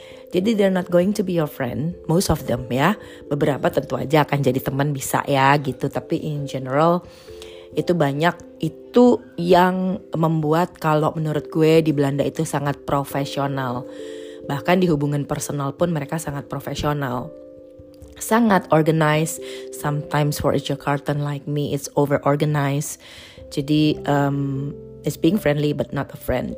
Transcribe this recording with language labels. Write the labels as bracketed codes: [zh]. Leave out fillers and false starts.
[en] Jadi they're not going to be your friend, most of them ya. [id] Beberapa tentu aja akan jadi teman, bisa ya gitu. Tapi in general itu banyak, itu yang membuat kalau menurut gue di Belanda itu sangat profesional. Bahkan di hubungan personal pun mereka sangat profesional. sangat organized. [en] Sometimes for a Jakartan like me, it's over organized. Jadi it's being friendly but not a friend.